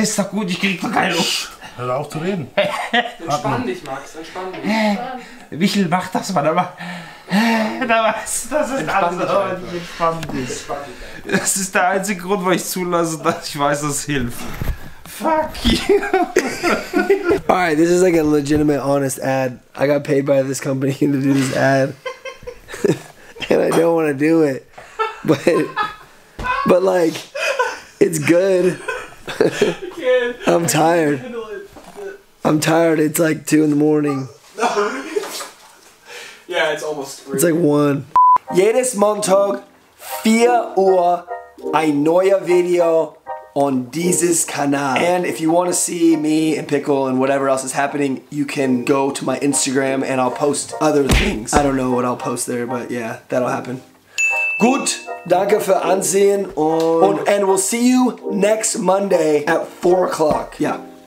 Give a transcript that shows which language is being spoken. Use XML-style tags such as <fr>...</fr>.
<de>Ist doch gut, ich krieg doch keine Luft. Hör auf zu reden. Entspann dich, Max, entspann dich. Wichel, mach das mal, aber. Das ist alles. Das ist der einzige Grund, warum ich zulasse, dass ich weiß, dass es hilft.</de> <en>Fuck you. All right, this is like a legitimate, honest ad. I got paid by this company to do this ad. And I don't want to do it. But like, it's good. I'm tired. I'm tired. It's like 2 a.m. Yeah, it's almost 3. It's like 1.</en> <de>Jedes Montag, 4 Uhr, ein neuer Video on dieses Kanal.</de> <en>And if you want to see me and Pickle and whatever else is happening, you can go to my Instagram and I'll post other things. I don't know what I'll post there, but yeah, that'll happen.</en> <de>Gut, danke für Ansehen und</de> <en>we'll see you next Monday at 4 o'clock. Yeah.</en>